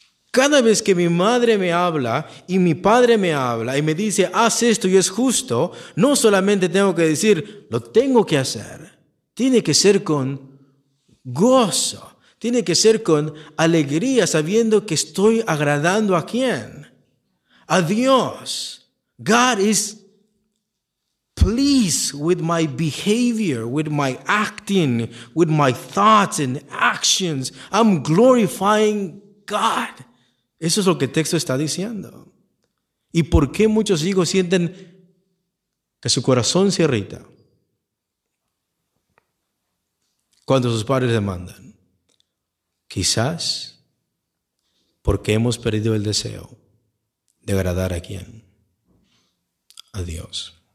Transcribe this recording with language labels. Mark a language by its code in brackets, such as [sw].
[es] Cada vez que mi madre me habla y mi padre me habla y me dice, haz esto y es justo, no solamente tengo que decir, lo tengo que hacer. Tiene que ser con gozo. Tiene que ser con alegría, sabiendo que estoy agradando a quién. A Dios. [en] God is pleased with my behavior, with my acting, with my thoughts and actions. I'm glorifying God. [es] Eso es lo que el texto está diciendo. ¿Y por qué muchos hijos sienten que su corazón se irrita cuando sus padres demandan? Quizás porque hemos perdido el deseo de agradar a quién. A Dios.